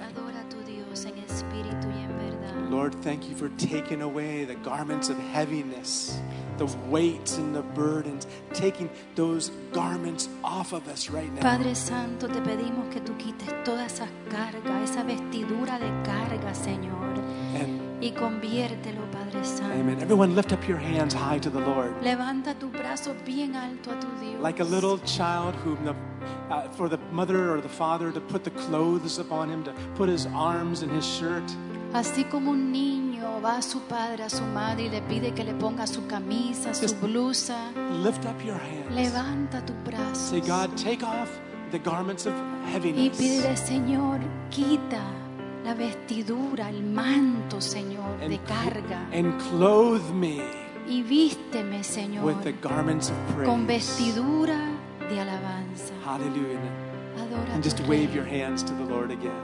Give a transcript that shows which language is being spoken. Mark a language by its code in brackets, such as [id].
[es] Adora tu Dios en espíritu y en verdad. [en] Lord, thank you for taking away the garments of heaviness, the weights and the burdens, taking those garments off of us right now. [es] Padre Santo, te pedimos que tú quites toda esa carga, esa vestidura de carga, Señor. [en] And [es] y conviértelo, Padre Santo. [en] Amen. Everyone lift up your hands high to the Lord. [es] Levanta tu brazo bien alto a tu Dios. [en] Like a little child whom the for the mother or the father to put the clothes upon him, to put his arms in his shirt. [es] Así como un niño va a su padre, a su madre, y le pide que le ponga su camisa, su blusa. [en] Lift up your hands. [es] Levanta tu brazo. [en] Say, God, take off the garments of heaviness. [es] Y pide, Señor, quita la vestidura, el manto, Señor, de carga. [en] And clothe me. [es] Y vísteme, Señor, [en] with the garments of praise. [es] Con vestidura de alabanza. [en] Hallelujah. [es] Adora [en] and just [es] tu [en] wave [es] rey. [en] Your hands to the Lord again.